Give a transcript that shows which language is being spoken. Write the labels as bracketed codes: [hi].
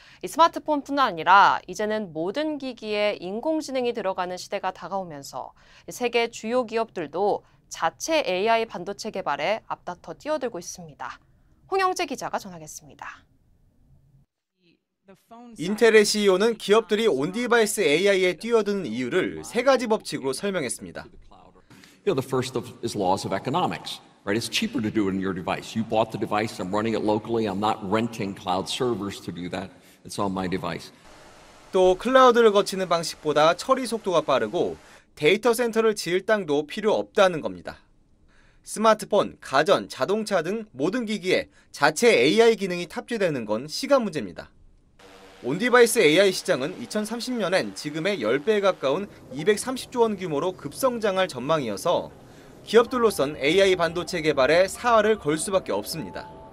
[ko] 이 스마트폰뿐 아니라 이제는 모든 기기에 인공지능이 들어가는 시대가 다가오면서 세계 주요 기업들도 자체 AI 반도체 개발에 앞다퉈 뛰어들고 있습니다. 홍영재 기자가 전하겠습니다. 인텔의 CEO는 기업들이 온디바이스 AI에 뛰어드는 이유를 세 가지 법칙으로 설명했습니다. [en] The first is laws of economics. Right, it's cheaper to do it in your device. You bought the device. I'm running it locally. I'm not renting cloud servers to do that. It's on my device. [ko] 또 클라우드를 거치는 방식보다 처리 속도가 빠르고 데이터 센터를 지을 땅도 필요 없다는 겁니다. 스마트폰, 가전, 자동차 등 모든 기기에 자체 AI 기능이 탑재되는 건 시간 문제입니다. 온디바이스 AI 시장은 2030년엔 지금의 10배에 가까운 230조 원 규모로 급성장할 전망이어서 기업들로선 AI 반도체 개발에 사활을 걸 수밖에 없습니다.